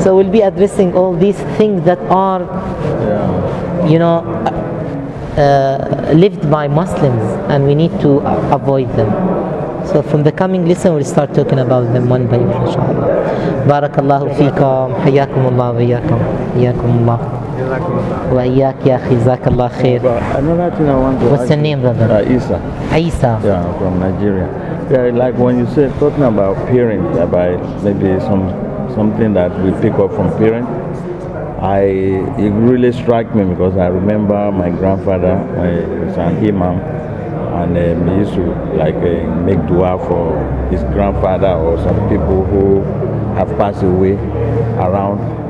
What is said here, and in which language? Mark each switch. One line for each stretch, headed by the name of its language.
English: So we'll be addressing all these things that are, you know, lived by Muslims, and we need to avoid them. So from the coming lesson, we'll start talking about them one by one, inshallah.
Arabic: Barakallahu feekum, hayyakum Allah, hayyakum Allah. وإياك يا أخي، جزاك الله خير.
English: What's your name, brother? Isa. Isa. Yeah, from Nigeria. Yeah, like when you said talking about parents, by maybe something that we pick up from parents, it really struck me because I remember my grandfather, my son, Imam, and he used to like make dua for his grandfather or some people who have passed away around